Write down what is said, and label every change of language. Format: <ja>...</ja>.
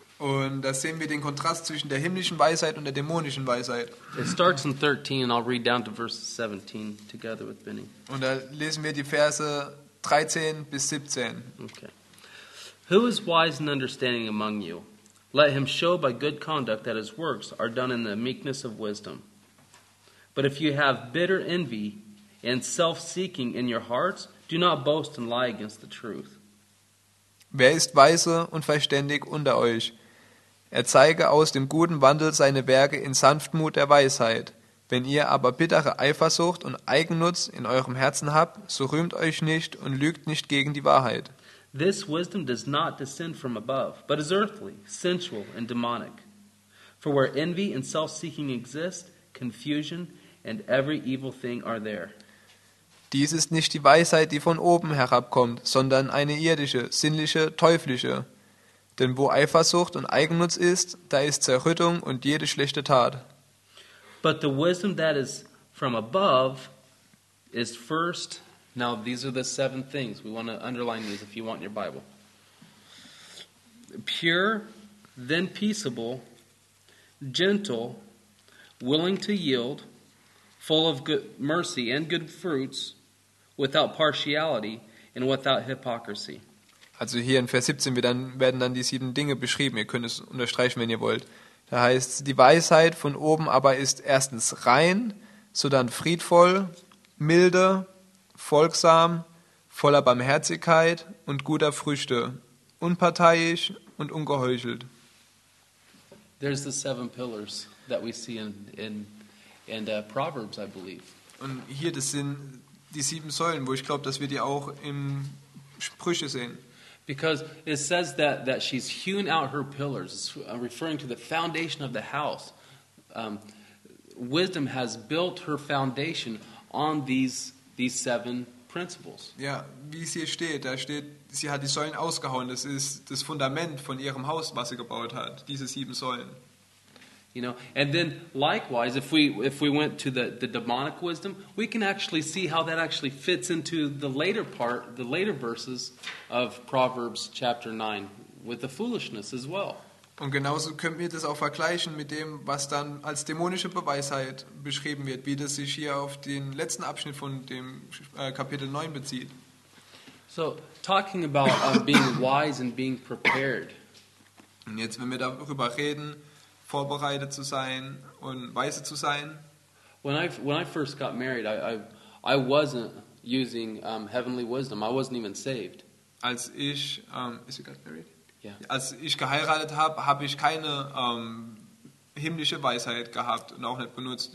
<de>Und da sehen wir den Kontrast zwischen der himmlischen Weisheit und der dämonischen Weisheit.</de> <en>It starts in 13 and I'll read down to verse 17 together with Benny.</en> <de>Und da lesen wir die Verse 13 bis 17.</de> <en>Okay. Who is wise and understanding among you? Let him show by good conduct that his works are done in the meekness of wisdom. But if you have bitter envy and self-seeking in your hearts, do Do not boast and lie against the truth.</en> <de>Wer ist weise und verständig unter euch? Er zeige aus dem guten Wandel seine Werke in Sanftmut der Weisheit. Wenn ihr aber bittere Eifersucht und Eigennutz in eurem Herzen habt, so rühmt euch nicht und lügt nicht gegen die Wahrheit.</de> <en>This wisdom does not descend from above, but is earthly, sensual and demonic. For where envy and self-seeking exist, confusion and every evil thing are there.</en> <de>Dies ist nicht die Weisheit, die von oben herabkommt, sondern eine irdische, sinnliche, teuflische. Denn wo Eifersucht und Eigennutz ist, da ist Zerrüttung und jede schlechte Tat.</de> <en>But the wisdom that is from above is first. Now these are the seven things. We want to underline these if you want your Bible. Pure, then peaceable, gentle, willing to yield, full of good mercy and good fruits, without partiality and without hypocrisy.</en> <de>Also hier in Vers 17 werden dann die sieben Dinge beschrieben. Ihr könnt es unterstreichen, wenn ihr wollt. Da heißt es, die Weisheit von oben aber ist erstens rein, sodann friedvoll, milde, folgsam, voller Barmherzigkeit und guter Früchte, unparteiisch und ungeheuchelt.</de> <en>There's the seven pillars that we see in Proverbs, I believe.</en> <de>Und hier, das sind die sieben Säulen, wo ich glaube, dass wir die auch im Sprüche sehen.</de> <en>Because it says that she's hewn out her pillars, referring to the foundation of the house. Wisdom has built her foundation on these seven principles.</en> <de>Ja, wie es hier steht, da steht, sie hat die Säulen ausgehauen. Das ist das Fundament von ihrem Haus, was sie gebaut hat. Diese sieben Säulen.</de> <en>You know, and then likewise, if we went to the demonic wisdom, we can actually see how that actually fits into the later part, the later verses of Proverbs chapter 9, with the foolishness as well.</en> <de>Und genauso können wir das auch vergleichen mit dem, was dann als dämonische Beweisheit beschrieben wird, wie das sich hier auf den letzten Abschnitt von dem Kapitel 9 bezieht.</de> <en>So, talking about being wise and being prepared.</en> <de>Und jetzt, wenn wir darüber reden, vorbereitet zu sein und weise zu sein.</de> <en>When I first got married, I wasn't using heavenly wisdom. I wasn't even saved.</en> <de>Als ich</de> <en>is you got married? Yeah.</en> <de>Als ich geheiratet habe, habe ich keine himmlische Weisheit gehabt und auch nicht benutzt.</de>